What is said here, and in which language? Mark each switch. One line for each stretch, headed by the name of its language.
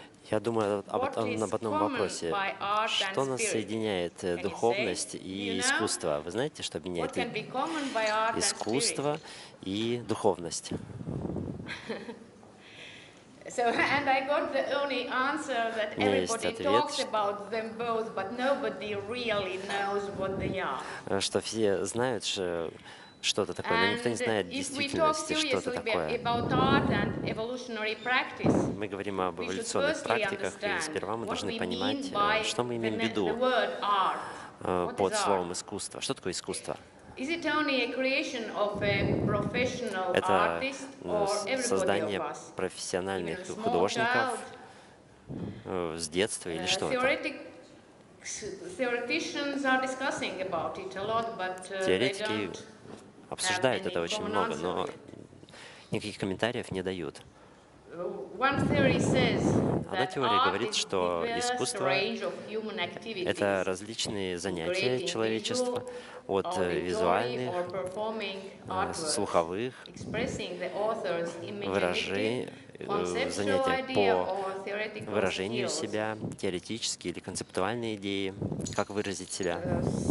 Russian: Я думаю об одном вопросе. Что нас соединяет духовность и искусство? Вы знаете, что объединяет искусство и духовность?
English: So and I got the only answer that everybody talks about them both, but nobody really knows what they are.
Russian: Что все знают, что-то такое, но никто не знает действительности, что это такое. Мы говорим об эволюционных практиках, и сперва мы должны понимать, что мы имеем в виду под словом искусство. Что такое искусство?
English: Is it only a creation of a professional artist or everybody of us? Even a small child,
Russian: с детства или что-то?
English: Theoreticians are discussing about it a lot, but they don't.
Russian: Теоретики обсуждают это очень много, но никаких комментариев не дают.
English: One theory says
Russian: Одна теория говорит, что искусство – это различные занятия человечества, от визуальных, слуховых, занятия по выражению себя, теоретические или концептуальные идеи, как выразить себя.